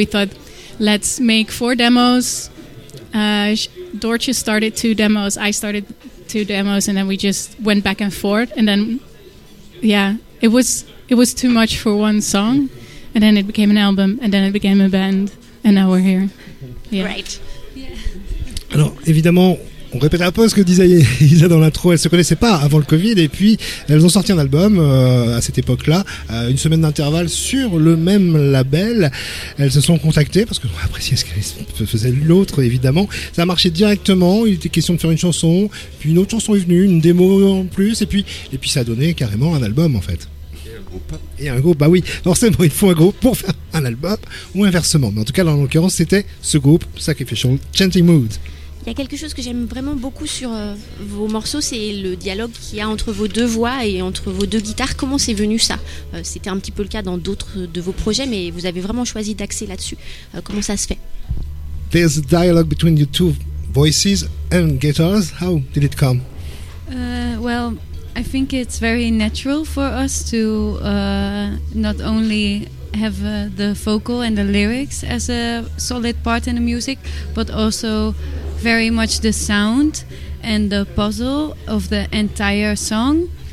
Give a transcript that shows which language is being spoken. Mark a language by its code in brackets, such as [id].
[en] We thought, "Let's make 4 demos." Dortje started 2 demos. I started 2 demos, and then we just went back and forth. And then, yeah, it was. It was too much for one song, and then it became an album, and then it became a band, and now we're here. Yeah. Right. Yeah. [fr] Alors, évidemment, on répète un peu ce que disait Isa dans l'intro, elles ne se connaissaient pas avant le Covid, et puis elles ont sorti un album à cette époque-là, une semaine d'intervalle sur le même label. Elles se sont contactées, parce qu'on appréciait ce qu'elles faisaient l'autre, évidemment. Ça a marché directement, il était question de faire une chanson, puis une autre chanson est venue, une démo en plus, et puis ça a donné carrément un album, en fait. Et un groupe, bah oui, forcément il faut un groupe pour faire un album ou inversement. Mais en tout cas, en l'occurrence, c'était ce groupe, Sacrificial Chanting Mood. Il y a quelque chose que j'aime vraiment beaucoup sur vos morceaux, c'est le dialogue qu'il y a entre vos deux voix et entre vos deux guitares. Comment c'est venu ça? C'était un petit peu le cas dans d'autres de vos projets, mais vous avez vraiment choisi d'axer là-dessus. Comment ça se fait? [en] There's a dialogue between your two voices and guitars. How did it come? Well, I think it's very natural for us to not only have the vocal and the lyrics as a solid part in the music, but also very much the sound and the puzzle of the entire song.